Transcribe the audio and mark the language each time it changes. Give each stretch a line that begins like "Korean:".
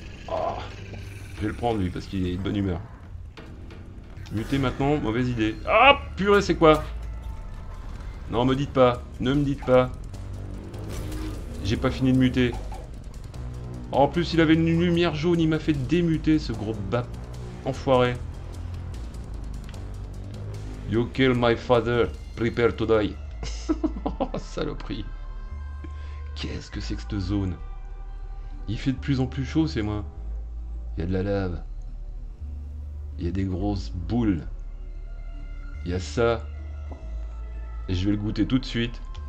French: Oh, je vais le prendre lui parce qu'il est de bonne humeur. Muter maintenant, mauvaise idée. Ah, purée, c'est quoi? Non, me dites pas. Ne me dites pas. J'ai pas fini de muter. En plus, il avait une lumière jaune. Il m'a fait démuter, ce gros bap. Enfoiré.
English: You kill my father, prepare to die.
French: Oh, saloperie. Qu'est-ce que c'est que cette zone? Il fait de plus en plus chaud, c'est moi. Il y a de la lave. Il y a des grosses boules. Il y a ça. Et je vais le goûter tout de suite.